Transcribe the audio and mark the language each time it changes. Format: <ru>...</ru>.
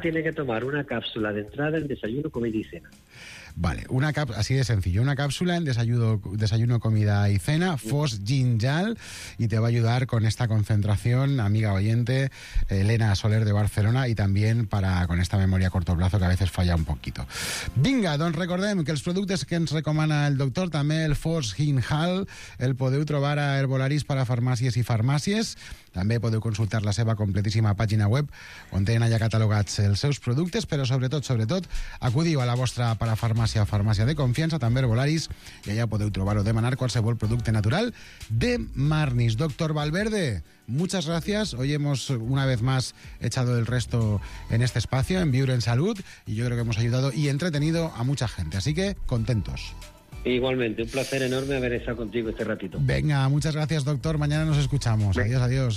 <es>Tiene que tomar una cápsula de entrada, el desayuno, comida y cena. Vale, una cápsula, así de sencillo, una cápsula en desayuno, comida y cena, Fosginjal, y te va a ayudar con esta concentración, amiga oyente, Elena Soler de Barcelona, y también para con esta memoria a corto plazo que a veces falla un poquito.</es> <ca>Vinga, don, recordem que els productes que ens recomana el doctor, també el Fosginjal, el podeu trobar a Herbolaris para farmàcies i farmàcies. També podeu consultar la seva completíssima pàgina web on tenen allà catalogats els seus productes, però sobretot, acudiu a la vostra parafarmàcia o farmàcia de confiança, també Herbolaris, i allà podeu trobar o demanar qualsevol producte natural de Marnis.</ca> <es>Doctor Valverde, muchas gracias. Hoy hemos una vez más echado el resto en este espacio, en Viure en Salud, y yo creo que hemos ayudado y entretenido a mucha gente. Así que, contentos. Igualmente, un placer enorme haber estado contigo este ratito. Venga, muchas gracias, doctor. Mañana nos escuchamos. Adiós.</es>